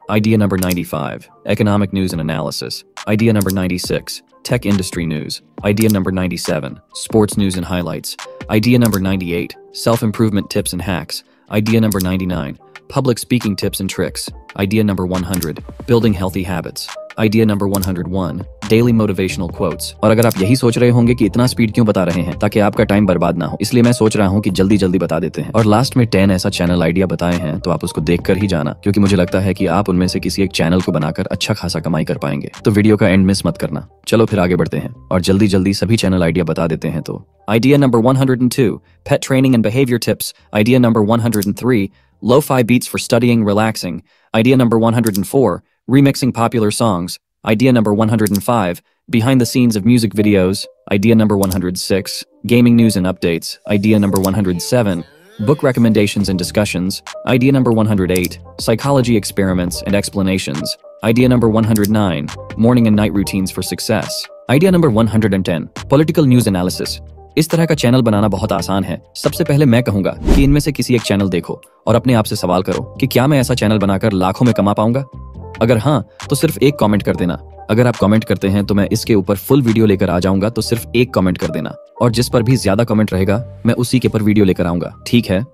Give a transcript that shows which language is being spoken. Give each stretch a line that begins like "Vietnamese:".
English: Idea number 95, economic news and analysis. Idea number 96, tech industry news. Idea number 97, sports news and highlights. Idea number 98, self-improvement tips and hacks. Idea number 99, public speaking tips and tricks. Idea number 100, building healthy habits. Idea number 101, daily motivational quotes.
Hindi: और अगर आप यही सोच रहे होंगे कि इतना speed क्यों बता रहे हैं ताकि आपका टाइम बर्बाद ना हो, इसलिए मैं सोच रहा हूँ कि जल्दी जल्दी बता देते हैं और लास्ट में 10 ऐसा चैनल आइडिया बताए हैं तो आप उसको देखकर ही जाना क्योंकि मुझे लगता है कि आप उनमें से किसी एक चैनल को बनाकर अच्छा खासा कमाई कर पाएंगे, तो वीडियो का एंड मिस मत करना। चलो फिर आगे बढ़ते हैं और जल्दी जल्दी सभी चैनल आइडिया बता देते हैं। तो
English: Idea number 102, pet training and behaviour tips. Idea number 103, lo fi beats for studying relaxing. Idea number 104, remixing popular songs. Idea number 105, behind the scenes of music videos. Idea number 106, gaming news and updates. Idea number 107, book recommendations and discussions. Idea number 108, psychology experiments and explanations. Idea number 109, morning and night routines for success. Idea number 110, political news analysis.
Hindi: इस तरह का channel बनाना बहुत आसान है। सबसे पहले मैं कहूंगा कि इनमें से किसी एक चैनल देखो और अपने आप से सवाल करो कि क्या मैं ऐसा चैनल बनाकर लाखों में कमा पाऊंगा। अगर हाँ तो सिर्फ एक कमेंट कर देना। अगर आप कमेंट करते हैं तो मैं इसके ऊपर फुल वीडियो लेकर आ जाऊंगा, तो सिर्फ एक कमेंट कर देना और जिस पर भी ज्यादा कमेंट रहेगा मैं उसी के पर वीडियो लेकर आऊंगा, ठीक है?